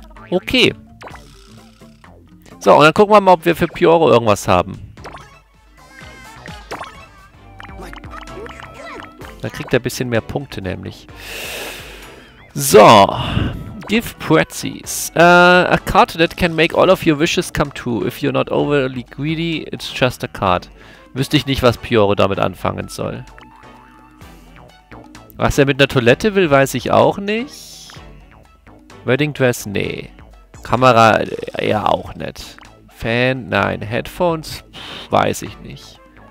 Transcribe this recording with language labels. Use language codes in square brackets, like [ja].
[de] Okay. So, und dann gucken wir mal, ob wir für Pioro irgendwas haben. Da kriegt er ein bisschen mehr Punkte, nämlich. [en] So. Give Pretzies. A card that can make all of your wishes come true. If you're not overly greedy, it's just a card. [de] Wüsste ich nicht, was Pioro damit anfangen soll. Was er mit einer Toilette will, weiß ich auch nicht. Wedding Dress? Nee. Kamera eher auch nicht. Fan? Nein. Headphones? Weiß ich nicht.